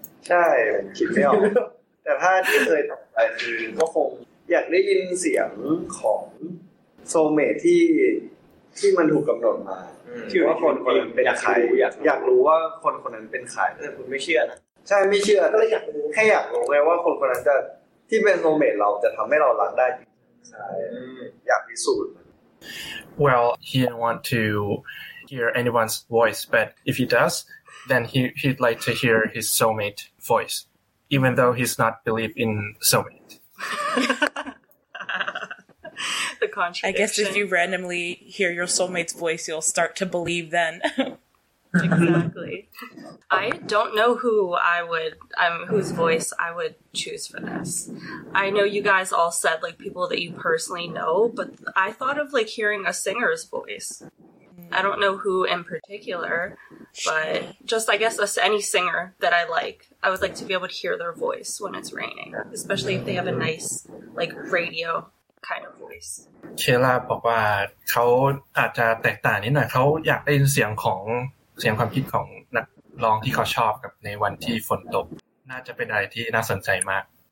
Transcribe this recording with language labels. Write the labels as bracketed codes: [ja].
[en] I don't know who to hear. I don't know who to hear. But if I've ever done it, it's... [th] soulmate ที่มันถูกกําหนดมา ชื่อ ว่าคนคนนั้นเป็นใคร อยาก รู้ว่าคนคนนั้นเป็นใครแต่ คุณไม่เชื่อนะ ใช่ไม่เชื่อ ก็เลยอยากรู้แค่อยากรู้ไงว่าคนคนนั้นจะที่เป็น soulmate เราจะทําให้เรารักได้จริง ใช่อ ยากพิสูจน์ [en] Well he didn't want to hear anyone's voice but if he does then he'd like to hear his soulmate voice even though he's not believe in soulmate The contradiction. I guess if you randomly hear your soulmate's voice, you'll start to believe then. Exactly. I don't know who I would, whose voice I would choose for this. I know you guys all said, like, people that you personally know, but I thought of, like, hearing a singer's voice. I don't know who in particular, but just, I guess, any singer that I like. I would like to be able to hear their voice when it's raining, especially if they have a nice, like, radio kind of voice. [th] เคล่าบอกว่าเขาอาจจะแตกต่างนิดหน่อยเขาอยากได้ยินเสียงของเสียงความคิดของนักร้องที่เขาชอบกับในวันที่ฝนตกน่าจะเป็นอะไรที่น่าสนใจมาก